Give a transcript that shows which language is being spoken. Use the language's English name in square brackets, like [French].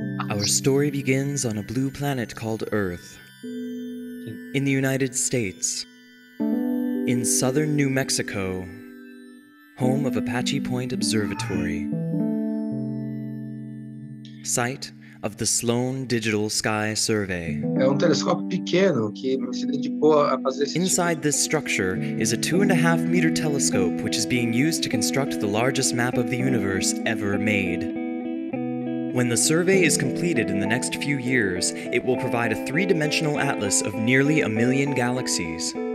[English] Our story begins on a blue planet called Earth, in the United States, in southern New Mexico, home of Apache Point Observatory, site of the Sloan Digital Sky Survey. [Portuguese] É um telescópio pequeno que se dedicou a fazer esse. [English] Inside this structure is a 2.5 meter telescope, which is being used to construct the largest map of the universe ever made. When the survey is completed in the next few years, it will provide a three-dimensional atlas of nearly a million galaxies.